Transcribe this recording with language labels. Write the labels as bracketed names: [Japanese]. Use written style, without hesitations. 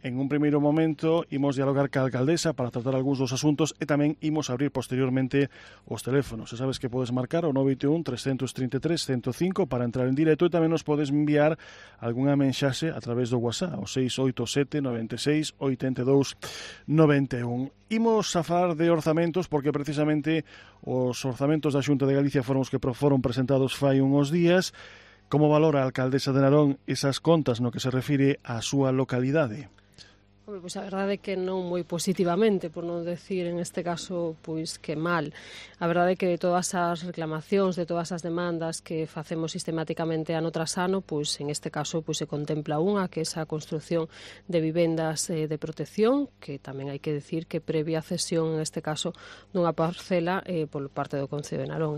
[Spanish] En un primer momento, íbamos a dialogar con la alcaldesa para tratar algunos dos asuntos y también íbamos a abrir posteriormente los teléfonos. Ya sabes que puedes marcar o 921-333-105 para entrar en directo y también nos puedes enviar alguna mensaje a través de WhatsApp o 687-96-82-91. [Galician] Imos a falar de orzamentos porque precisamente os orzamentos da Xunta de Galicia foron os que foron presentados fai uns días. Como valora a alcaldesa de Narón esas contas no que se refire á súa localidade? [Spanish] Hombre, pues la verdad es que no muy positivamente, por no decir en este caso pues que mal. La verdad es que de todas esas reclamaciones, de todas esas demandas que hacemos sistemáticamente [Galician] ano tras ano, [Spanish] pues en este caso pues se contempla una, que es a construcción de viviendas de protección, que también hay que decir que previa cesión en este caso de una parcela por parte [Galician] do Concello de Narón.